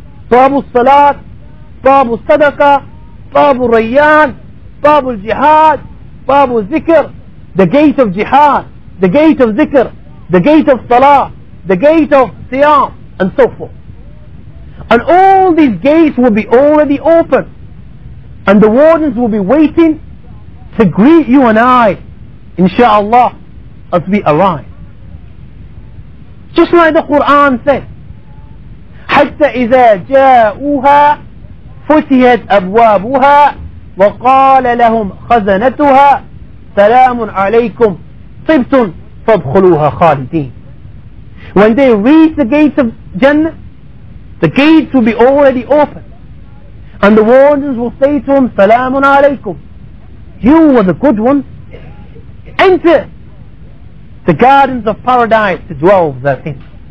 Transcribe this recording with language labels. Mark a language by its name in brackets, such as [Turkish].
[Arabic] باب الصلاة, باب الصدقة, باب الريان, باب الجهاد, باب الذكر, [English] the gate of jihad, the gate of zikr, the gate of salah, the gate of siyam, and so forth. And all these gates will be already open, and the wardens will be waiting to greet you and I, inshallah, as we arrive. Just like the Quran says, [Arabic] حتى إذا جاءوها فتحت أبوابها وقال لهم خزنتها سلام عليكم طبتم فادخلوها خالدين. [English] When they reach the gates of Jannah, the gates will be already open, and the wardens will say to them, [Arabic] سلام عليكم, [English] you were the good ones, enter the gardens of paradise to dwell therein.